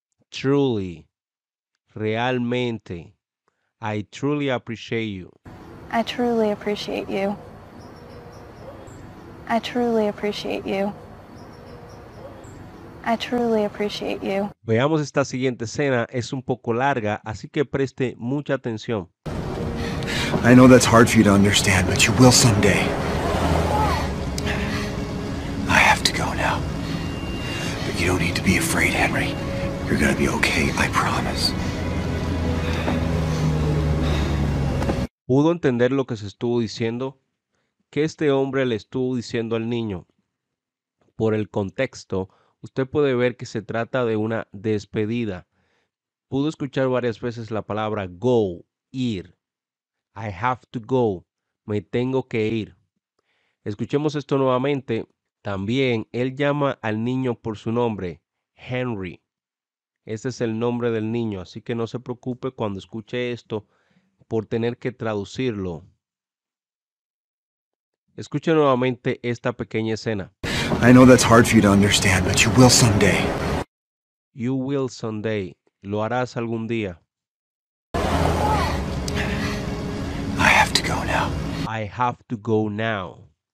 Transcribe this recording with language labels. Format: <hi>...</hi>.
<en>Truly.</en> <es>Realmente.</es> <en>I truly appreciate you. I truly appreciate you. I truly appreciate you. I truly appreciate you.</en> <es>Veamos esta siguiente escena. Es un poco larga, así que preste mucha atención.</es> <en>I know that's hard for you to understand, but you will someday. I have to go now. But you don't need to be afraid, Henry. You're gonna be okay, I promise.</en> <es>¿Pudo entender lo que se estuvo diciendo? ¿Qué este hombre le estuvo diciendo al niño? Por el contexto, usted puede ver que se trata de una despedida. Pudo escuchar varias veces la palabra go, ir.</es> <en>I have to go.</en> <es>Me tengo que ir. Escuchemos esto nuevamente. También, él llama al niño por su nombre, Henry. Este es el nombre del niño, así que no se preocupe cuando escuche esto por tener que traducirlo. Escuche nuevamente esta pequeña escena.</es> <en>I know that's hard for you to understand, but you will someday. You will someday.</en> <es>Lo harás algún día.</es> <en>I have to go now. I have to go now.</en>